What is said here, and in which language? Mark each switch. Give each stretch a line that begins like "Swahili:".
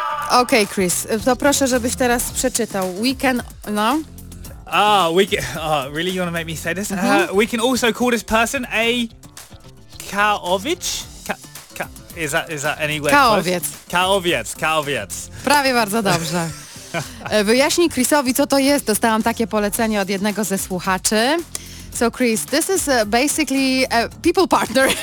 Polish: Okej, okay, Chris, to proszę, żebyś teraz przeczytał.
English: We can, no? Ah, we can, oh, really, you want to make me say this? Mm-hmm. We can also call this person a Kaowicz? Is that anywhere
Polish: Kaowiec.
English: Close? Kaowiec, Kaowiec.
Polish: Prawie bardzo dobrze. Wyjaśnij Chrisowi, co to jest. Dostałam takie polecenie od jednego ze słuchaczy.
English: So Chris, this is basically a people partner.